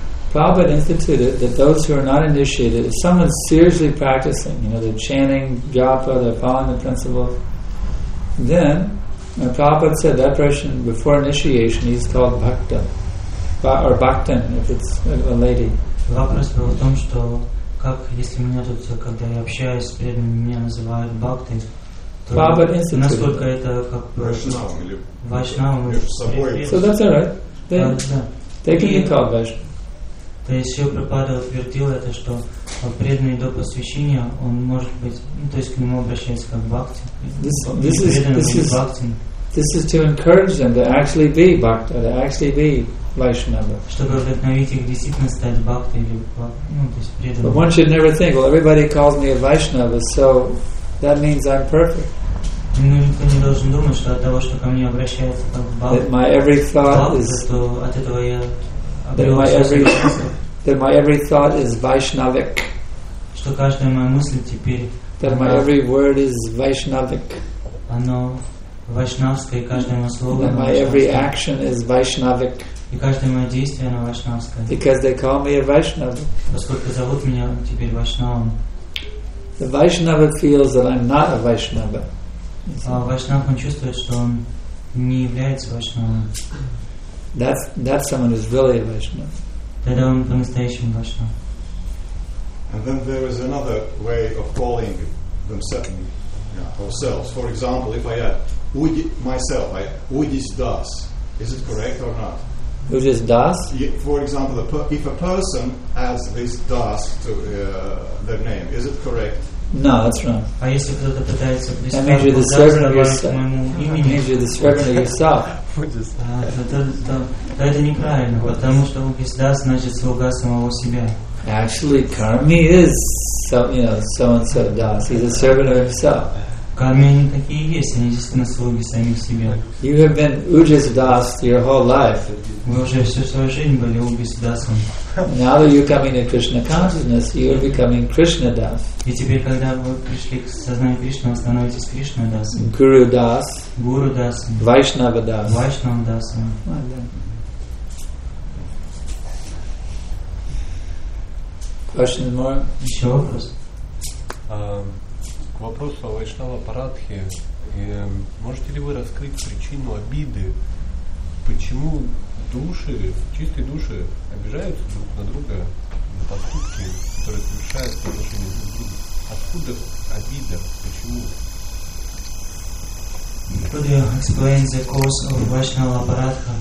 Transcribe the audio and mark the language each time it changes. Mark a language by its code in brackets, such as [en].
[en] Prabhupada instituted that those who are not initiated, if someone's seriously practicing, you know, they're chanting japa, they're following the principles, then... And Prabhupada said that person before initiation he's called Bhakta or Bhaktan if it's a lady. [ru] Вопрос был в том, что как если меня тут, когда я общаюсь с преданными, меня называют Бхактой, то насколько это как Вайшнавам или Собой. [en] So that's all right. They can be called Vaishnava. [ru] То есть Шрила Прабхупада утвердил это, что преданный до посвящения, он может быть, то есть к нему обращается как Бхакти. [en] This is to encourage them to actually be Bhakta, to actually be Vaishnava. [ru] Чтобы вдохновить их действительно стать Бхакти или преданным. [en] But one should never think, well, everybody calls me a Vaishnava, so that means I'm perfect. [ru] Ну, никто не должен думать, что от того, что ко мне обращается как Бхакти, [en] my every thought is [ru] что от этого я [en] that my every thought is Vaishnavic. [ru] Что каждая моя мысль теперь. [en] That my every word is Vaishnavic. [ru] Оно Vaishnavskaya, каждое моё слово. [en] And my every action is Vaishnavic. [ru] И каждое моё действие на Вайшнавском. [en] Because they call me a Vaishnav. [ru] Поскольку зовут меня теперь Вайшнавом. [en] The Vaishnava feels that I'm not a Vaishnava. [ru] Вайшнав он чувствует, что он не является Вайшнавом. [en] That's someone who's really a Vaishnav. [ru] Тогда он по-настоящему Вайшнав. [en] And then there is another way of calling themselves, ourselves. For example, if I add Udi myself, I Udis Das. Is it correct or not? Udis Das? Yeah, for example, if a person adds this Das to their name, is it correct? No, that's wrong. I used to put that that is that means you're the servant of yourself. That means you're the servant of yourself. That is incorrect, because Udis Das means [ru] слуга самого себя. [en] Actually, Karmi is so and so Das. He's a servant of himself. [ru] Karmi они такие есть, они действительно слуги самих себя. [en] You have been Ujis Das your whole life. [ru] Вы уже всю свою жизнь были Ujis Dasом. [en] Now that you're coming to Krishna consciousness, you're becoming Krishna Das. [ru] И теперь, когда вы пришли к сознанию Кришны, вы становитесь Кришна Дас. [en] Guru Das. Guru Das. Vaishnava Das. Vaishnava Das. Question more? [ru] Еще вопрос? К вопросу о Вайшнава Парадхе. Можете ли вы раскрыть причину обиды? Почему души, чистые души, обижаются друг на друга на поступки, которые совершают по отношению друг к другу? Откуда обида? Почему? [en] Could you explain the cause of Vaishnava Paradha?